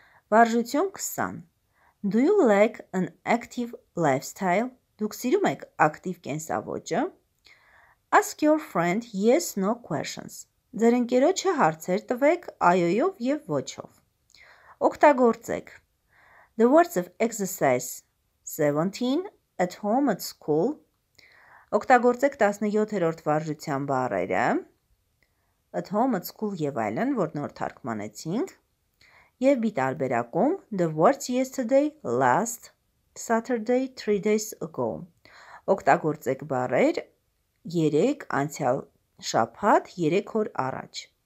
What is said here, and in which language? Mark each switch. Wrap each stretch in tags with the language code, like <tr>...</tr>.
<hy>Վարժություն 20.</hy> <en>Do you like an active lifestyle?</en> <hy>Դուք սիրում եք ակտիվ կենսավոճը?</hy> <en>Ask your friend yes, no questions.</en> <hy>Ձեր ընկերոջը հարցեր տվեք այոյով և ոչով. Օգտագործեք.</hy> <en>The words of exercise 17, at home, at school.</en> <hy>Օգտագործեք 17-րդ վարժության բառերը.</hy> <en>At home, at school</en> <hy>և այլն, որ նոր թարգմանեցինք. Եվ մի տարբերակում,</hy> <en>the words yesterday, last Saturday, 3 days ago.</en> <hy>Օգտագործեք բառեր 3 անցյալ շաբաթ, 3 օր առաջ.</hy>